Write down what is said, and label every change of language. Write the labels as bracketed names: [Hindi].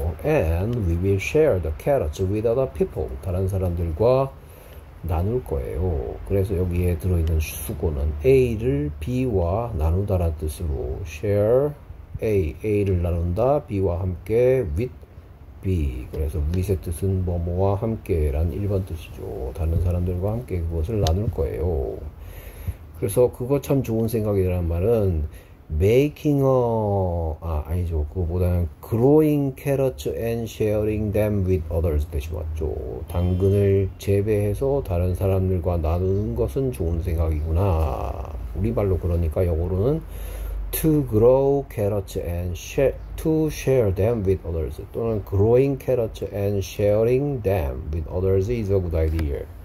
[English] And we will share the carrots with other people. [Korean] 다른 사람들과 나눌 거예요. 그래서 여기에 들어있는 수고는 A를 B와 나누다라는 뜻으로 share A를 나눈다, B와 함께 with B. 그래서 with의 뜻은 뭐뭐와 함께란 1번 뜻이죠. 다른 사람들과 함께 그것을 나눌 거예요. 그래서 그거 참 좋은 생각이라는 말은 making a 아니죠. 그거보다는 [English] growing carrots and sharing them with others [Korean] 대신 왔죠. 당근을 재배해서 다른 사람들과 나누는 것은 좋은 생각이구나. 우리말로 그러니까 영어로는 [English] to grow carrots and share to share them with others [Korean] 또는 [English] growing carrots and sharing them with others is a good idea.